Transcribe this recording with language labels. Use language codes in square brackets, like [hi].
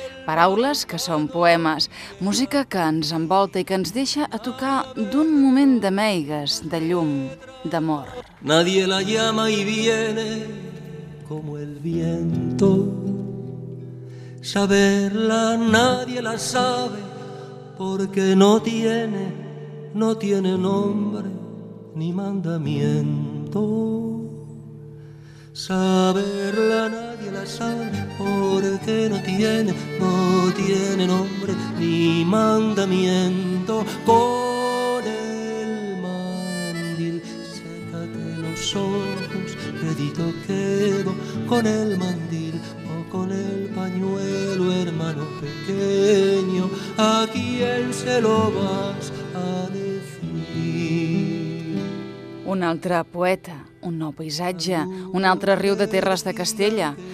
[ca] Paraules que són poemes, música que ens envolta i que ens deixa a tocar d'un moment d'ameigues, de llum, d'amor. [es] Nadie la llama y viene como el viento. Saberla nadie la sabe porque no tiene nombre ni mandamiento. Saberla nadie la sabe porque no tiene nombre ni mandamiento. Con el mandil sécate los ojos, quedito quedo. Con el mandil o con el pañuelo, hermano pequeño, ¿a quién se lo vas a decir? [ca] Un altre poeta, un nou paisatge, un altre riu de terres de Castella.